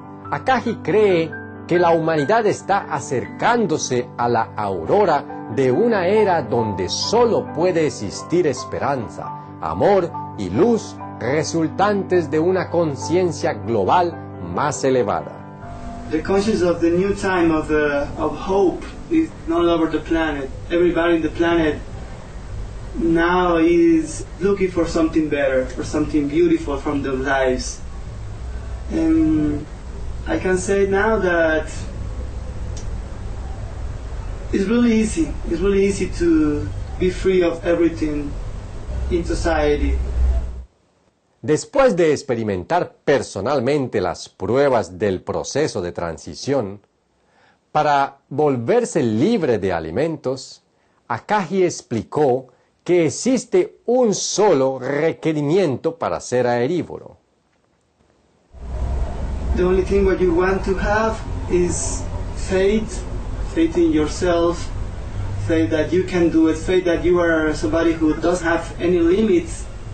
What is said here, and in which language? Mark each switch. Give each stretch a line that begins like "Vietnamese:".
Spanish: Akagi cree que la humanidad está acercándose a la aurora de una era donde solo puede existir esperanza, amor y luz resultantes de una conciencia global más elevada.
English: The consciousness of the new time of hope is all over the planet. Everybody in the planet now is looking for something better, for something beautiful from their lives. And I can say now that it's really easy. It's really easy to be free of everything in society.
Spanish: Después de experimentar personalmente las pruebas del proceso de transición, para volverse libre de alimentos, Akagi explicó que existe un solo requerimiento para ser aerívoro.
English: The only thing what you want to have is faith, faith in yourself, faith that you can do it, faith that you are somebody who doesn't have any limits.